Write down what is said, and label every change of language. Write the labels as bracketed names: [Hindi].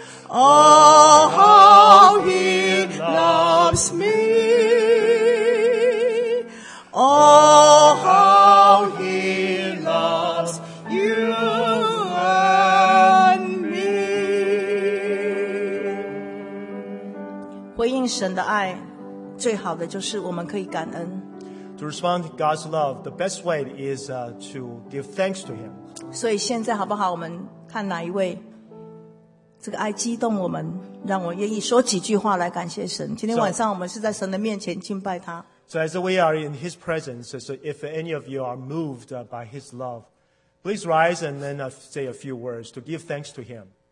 [English] Oh, how heOh, how he loves you and me. [Chinese] 回应神的爱，最好的就是我们可以感恩。 [English] To respond to God's love, the best way is to give thanks to Him. [Chinese] 所以现在好不好？我们看哪一位？这个爱激动我们，让我愿意说几句话来感谢神。今天晚上我们是在神的面前敬拜他。 [English] So as we are in His presence, so if any of you are moved by His love, please rise and then say a few words to give thanks to Him.